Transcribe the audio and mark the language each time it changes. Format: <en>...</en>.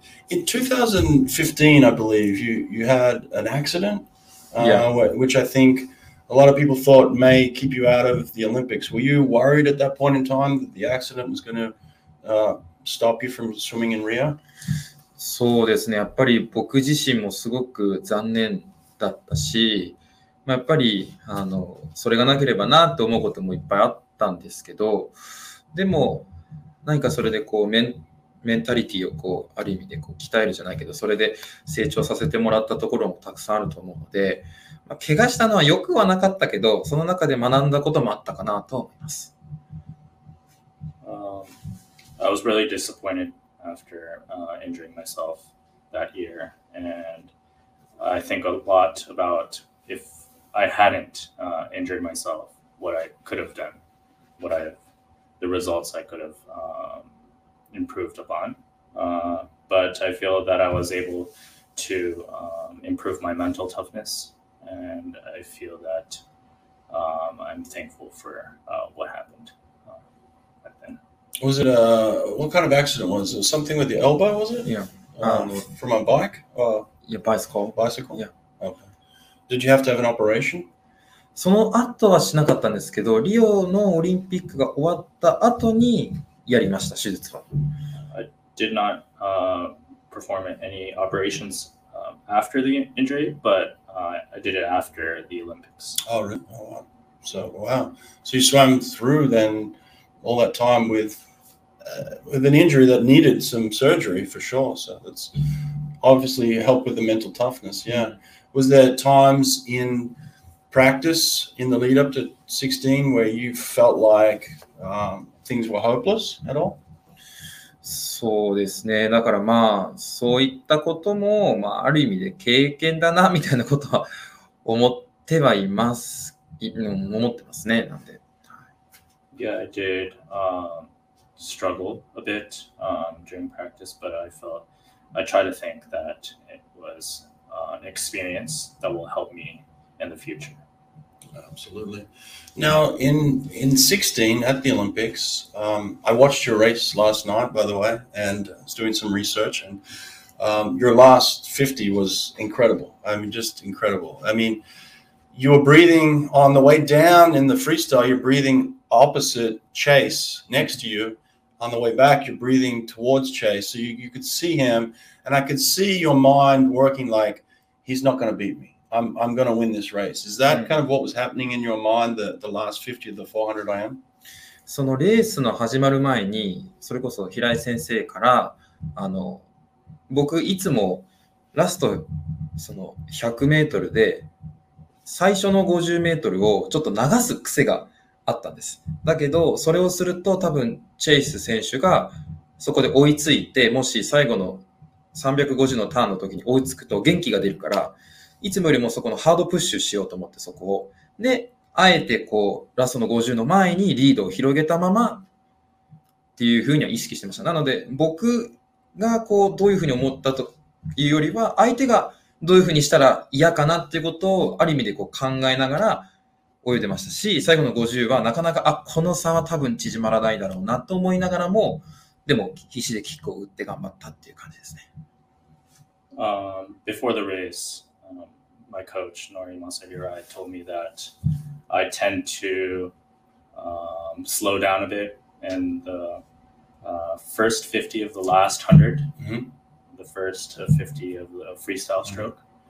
<en>In 2015, I believe, you had an accident, which I think a lot of people thought may keep you out of the Olympics. Were you worried at that point in time that the accident was going to stop you from swimming in Rio?</en> <ja>そうですね。やっぱり僕自身もすごく残念だったし、まあ、やっぱりそれがなければなと思うこともいっぱいあったんですけど、でも何かそれでこうメンタリティをこうある意味でこう鍛えるじゃないけど、それで成長させてもらったところもたくさんあると思うので、まあ、怪我したのは良くはなかったけど、その中で学んだこともあったかなと思います。</ja> <en>I was really disappointed after injuring myself that year, and I think a lot about if I hadn't injured myself, what I could have done, the results I could have improved upon. But I feel that I was able to improve my mental toughness, and I feel that I'm thankful for what happened back then. Was it a, what kind of accident was it? Something with the elbow, was it? Yeah. From a bike? Or your bicycle. Bicycle? Yeah. Okay. Did you have to have an operation?</en> <ja>その後はしなかったんですけど、リオのオリンピックが終わった後にやりました、手術は。</ja> <en>I did not perform any operations after the injury, but I did it after the Olympics. Oh, really? Oh, wow. So, wow. So you swam through then all that time with an injury that needed some surgery for sure. So that's obviously helped with the mental toughness. Yeah. Was there times in... practice in the lead up to 16 where you felt like things were hopeless at all?</en> <ja>そうですね。だからまあそういったこともまあある意味で経験だなみたいなことは思ってはいます。思ってますね。なんで。</ja> <en>Yeah, I did struggle a bit during practice, but I felt I try to think that it was an experience that will help me in the future. Absolutely. Now, in 16 at the Olympics, I watched your race last night, by the way, and I was doing some research, and your last 50 was incredible. I mean, just incredible. I mean, you were breathing on the way down in the freestyle, you're breathing opposite Chase next to you. On the way back, you're breathing towards Chase. So you could see him, and I could see your mind working like, he's not going to beat me. I'm going to win this race. Is that kind of what was happening in your mind, the last 50 of the 400 I am?</en> <ja>そのレースの始まる前に、それこそ平井先生から、僕いつもラストその100メートルで最初の50メートルをちょっと流す癖があったんです。だけど、それをすると多分チェイス選手がそこで追いついて、もし最後の350のターンの時に追いつくと元気が出るから、いつもよりもそこのハードプッシュしようと思ってそこを。で、あえてこう、ラストの50の前にリードを広げたままっていうふうには意識してました。なので、僕がこう、どういうふうに思ったというよりは、相手がどういうふうにしたら嫌かなっていうことをある意味でこう考えながら泳いでましたし、最後の50はなかなか、あ、この差は多分縮まらないだろうなと思いながらも、でも必死でキックを打って頑張ったっていう感じですね。</ja> <en>Before the race. My coach, Nori Masabi Rai, told me that I tend to slow down a bit in the first 50 of the last 100, the first 50 of the freestyle stroke.</en>